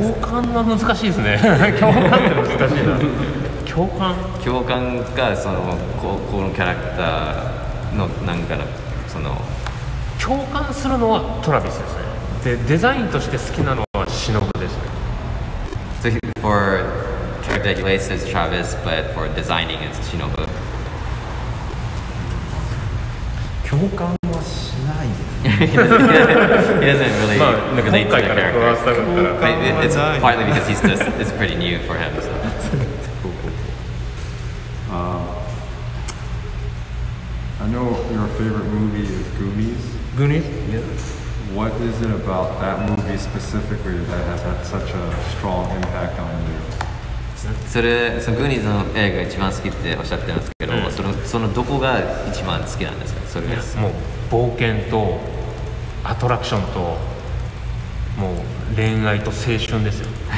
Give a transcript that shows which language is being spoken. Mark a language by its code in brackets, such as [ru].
[ja] 共感は難しいですね共感って難しいな共感共感がその このキャラクターの何かのその共感するのはトラビスですねでデザインとして好きなのはシノブですね [en] So for character he likes is Travis but for designing it's シノブ [ja] 共感はしない [en] he doesn't really relate to the character. But it's partly because he's just it's pretty new for him. So. I know your favorite movie is Goonies. Goonies? Yeah. What is it about that movie specifically that has had such a strong impact on you? [ja] それそのグーニーズの映画が一番好きっておっしゃってますけど、うん、そのどこが一番好きなんですか？それがもう冒険とアトラクションと、もう恋愛と青春ですよ。